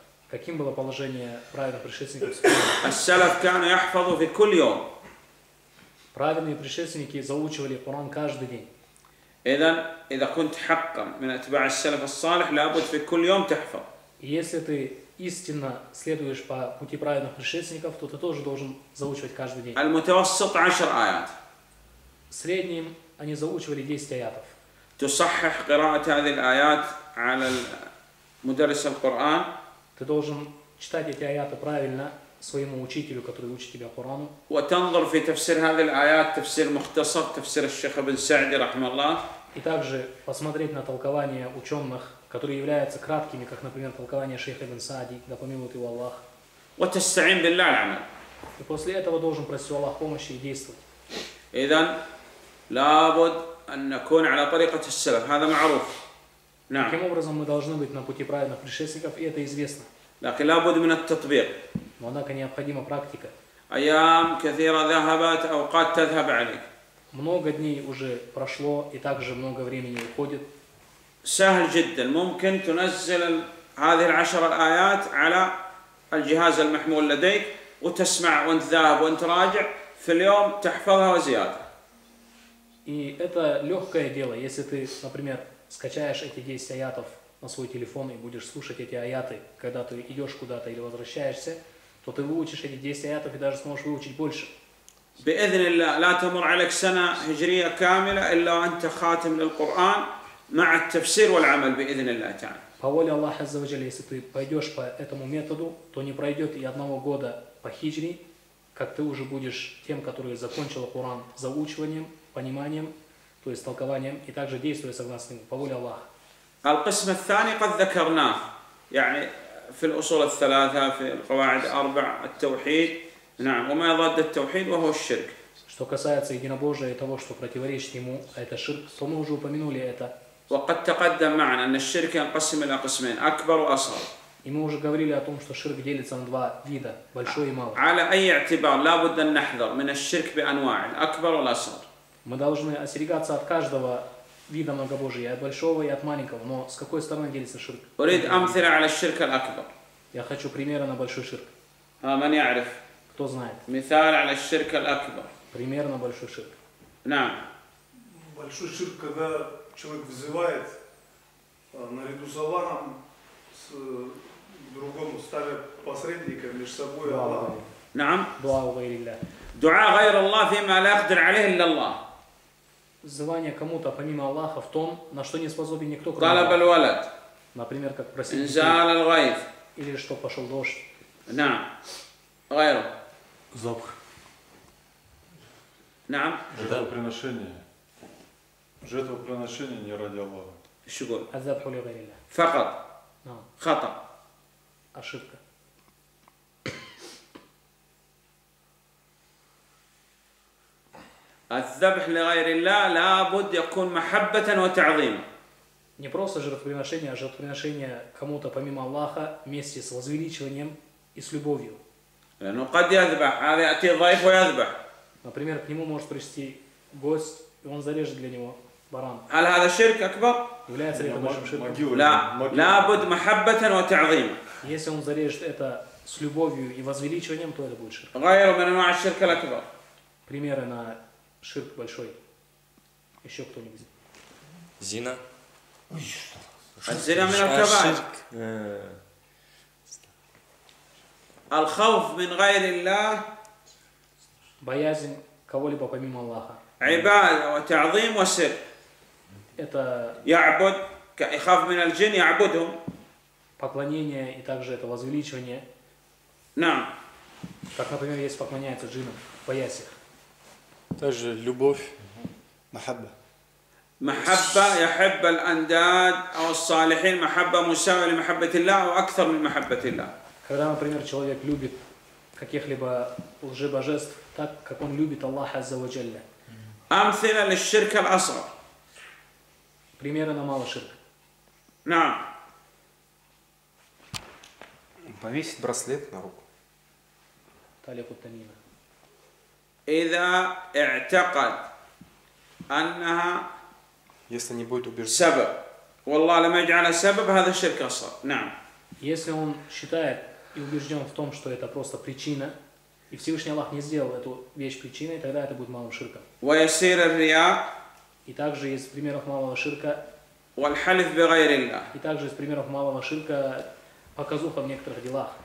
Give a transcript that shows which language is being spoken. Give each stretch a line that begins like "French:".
Russian: Каким было положение праведных предшественников?
Arabic: Ас-салаф кану яхфазу фи кулли йом.
Russian: Праведные предшественники заучивали Коран каждый день.
Arabic: إذن إذا كنت حقا من أتباع السلف الصالح لابد في كل يوم تحفظ.
Russian: Если ты истинно следуешь по пути праведных предшественников, то ты тоже должен заучивать каждый день.
Arabic: المتوسط عشر آيات.
Russian: В среднем они заучивали 10 аятов.
Arabic: تصحح قراءة هذه الآيات على مدرس القرآن.
Russian: Ты должен читать эти аяты правильно. Своему учителю, который учит тебя Корану.
Arabic: وتنظر في تفسير هذه الآيات تفسير مختصر تفسير الشيخ ابن سعدي رحمه الله.
Russian: И также посмотреть на толкования ученых, которые являются краткими, как, например, толкование шейха ибн Саади, да помилует его Аллах.
Arabic: وتستعين بالله العمل.
Russian: И после этого должен просить Аллах помощи и действовать.
Arabic: إذن لابد أن نكون على طريقة السلف هذا معروف. نعم.
Russian: Таким образом мы должны быть на пути праведных предшественников и это известно.
Arabic: لكن لابد من التطبيق.
Russian: Но однако необходима практика.
Arabic: أيام كثيرة ذهبت أوقات تذهب عليك.
Russian: Много дней уже прошло и также много времени уходит.
Arabic: سهل جدا ممكن تنزل هذه العشر الآيات على الجهاز المحمول لديك وتسمع وانت ذاهب وانت راجع في اليوم تحفظها وزيادة.
Russian: И это легкое дело, если ты, например, скачаешь эти 10 аятов на свой телефон и будешь слушать эти аяты, когда ты идешь куда-то или возвращаешься, то ты выучишь эти 10 аятов и даже сможешь выучить больше.
Arabic: بإذن الله لا تمر عليك سنة هجرية كاملة إلا أنت خاتم للقرآن مع التفسير والعمل بإذن الله تعالى.
Russian: По воле Аллаха Азза ва Джалла, если ты пойдешь по этому методу, то не пройдет и одного года по хиджри, как ты уже будешь тем, который закончил Коран заучиванием, пониманием, то есть толкованием, и также действуя согласно ему. По воле Аллаха.
Arabic: القسم الثاني قد ذكرناه يعني في الأصول الثلاثة في القواعد أربع التوحيد نعم وما ضد التوحيد وهو الشرك.
Russian: Что касается единобожия и того, что противоречит ему, а это ширк, то мы уже упомянули это.
Arabic: وقد تقدم معنا أن الشرك ينقسم إلى قسمين أكبر وأصغر.
Russian: И мы уже говорили о том, что ширк делится на два вида, большой и малый.
Arabic: على أي اعتبار لا بد أن نحذر من الشرك بأنواعه أكبر والأصغر.
Russian: Мы должны остерегаться от каждого вида многобожия, от большого и от маленького. Но с какой стороны делится ширк?
Arabic: أريد أمثلة على الشرك الأكبر.
Russian: Я хочу примера на большой ширк.
Arabic: من يعرف؟
Russian: Кто знает?
Arabic: مثال على الشرك الأكبر.
Russian: Пример на большой ширк.
Arabic: نعم.
Russian: Большой ширк, когда человек взывает наряду с Аллахом с другом, ставя посредника между собой и Аллахом.
Arabic: نعم. Дуа غير الله. Дуа غير الله فيما لا يقدر عليه إلا الله.
Russian: Взывание кому-то помимо Аллаха в том, на что не способен никто, кроме Аллаха.
Arabic: طلب الولد.
Russian: Например, как просить.
Arabic: إنزال الغيث.
Russian: Или что пошел дождь.
Arabic: نعم. غير.
Russian: Запах.
Arabic: نعم.
Russian: Жертвоприношение. Жертвоприношение не ради Аллаха. Шугур.
Arabic: الذبح لغير الله. فقط. نعم. خطأ.
Russian: Ошибка.
Arabic: الذبح لغير الله لابد يكون محبة وتعظيم.
Russian: Не просто жертвоприношение, а жертвоприношение кому-то помимо Аллаха вместе с возвеличением и с любовью.
Arabic: لأنه قد يذبح هذا يأتي ضيف ويذبح.
Russian: Например, к нему может прийти гость, и он зарежет для него баран.
Arabic: هل هذا شرك أكبر؟
Russian: Является ли это большим ширком?
Arabic: لا. لابد محبة وتعظيم.
Russian: Если он зарежет это с любовью и возвеличением, то это будет ширк.
Arabic: غير من أنواع الشرك الأكبر.
Russian: Примеры на ширк большой. Еще кто-нибудь? Зина.
Arabic: Зина من الكبائر. الخوف من غير الله.
Russian: Боязнь кого-либо помимо Аллаха.
Arabic: عبادة وتعظيم وسر.
Russian: Это
Arabic: يعبد يخاف من الجن يعبدهم.
Russian: Поклонение и также это возвеличивание.
Arabic: نعم.
Russian: Как, например, есть поклоняется джинам, боясь их. Также любовь.
Arabic: Махабба. Махабба يحب الأنداد أو الصالحين محبة مساوية لمحبة الله وأكثر من محبة الله.
Russian: Когда, например, человек любит каких-либо лжебожеств так, как он любит Аллаха Азза ва Джалля.
Arabic: أمثلة للشرك الأصغر.
Russian: Примеры на малый ширк.
Arabic: نعم.
Russian: Повесить браслет на руку.
Arabic: Талику тамима. إذا اعتقد أنها
Russian: если не будет убежден.
Arabic: سبب. والله لما يجعل سبب هذا الشرك أصغر. نعم.
Russian: Если он считает и убежден в том, что это просто причина, и Всевышний Аллах не сделал эту вещь причиной, тогда это будет малым ширком. И также из примеров малого ширка. И также из примеров малого ширка показуха в некоторых делах.